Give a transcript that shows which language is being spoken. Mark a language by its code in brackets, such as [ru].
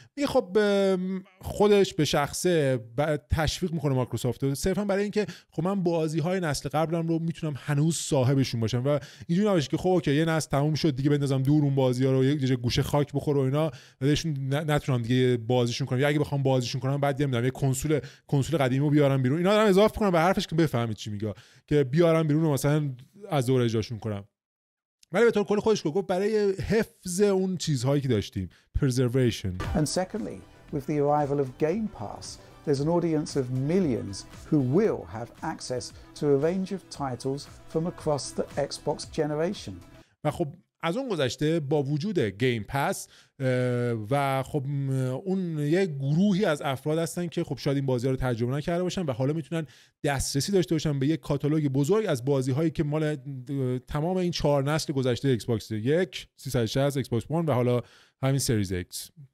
[fa] میگه خب خودش به شخصه تشویق میکنه مایکروسافت صرفا برای اینکه خب من بازی های نسل قبلم رو میتونم هنوز صاحبشون باشم و اینجوری نباشه که خب اوکی یه نسل تموم شد دیگه بندازم دور اون بازی ها رو، یه جوری گوشه خاک بخوره و اینا، بعدشون نتونم دیگه بازیشون کنم، یا اگه بخوام بازیشون کنم بعد نمیدونم یه کنسول قدیمی رو بیارم بیرون. اینا دارم اضافه میکنم به حرفش که بفهمید چی میگه، که بیارم بیرون و مثلا از دور اجراشون کنم. ولی به طور کلی خودش گفت برای حفظ اون چیزهایی که داشتیم، preservation. [en] And secondly, with the arrival of Game Pass, there's an audience of millions who will have access to a range of titles from across the Xbox generation. [fa] و خب از اون گذشته با وجود گیم پاس و خب اون یه گروهی از افراد هستن که خب شاید این بازی‌ها رو تجربه نکرده باشن و حالا میتونن دسترسی داشته باشن به یه کاتالوگ بزرگ از بازی‌هایی که مال تمام این 4 نسل گذشته ایکس باکس 1 360، ایکس باکس 1 و حالا همین سریز ایکس.